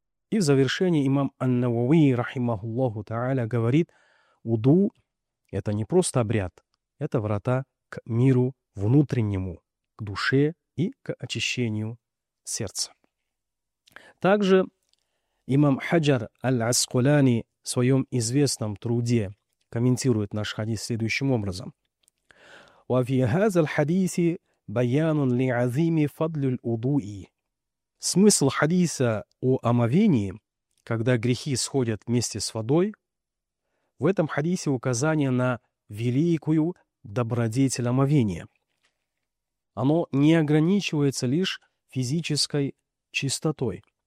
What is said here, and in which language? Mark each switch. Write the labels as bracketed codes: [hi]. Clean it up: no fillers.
[ru] И в завершении имам ан-Науи, рахимахуллаху та'аля, говорит: «Уду – это не просто обряд, это врата к миру внутреннему, к душе и к очищению сердца». Также имам Хаджар аль-Аскулани в своем известном труде комментирует наш хадис следующим образом. [ar] وفي هذا الحديث بيان لعظيم فضل الوضوء. [ru] Смысл хадиса о омовении, когда грехи сходят вместе с водой, в этом хадисе указание на великую добродетель омовения. Оно не ограничивается лишь физической чистотой.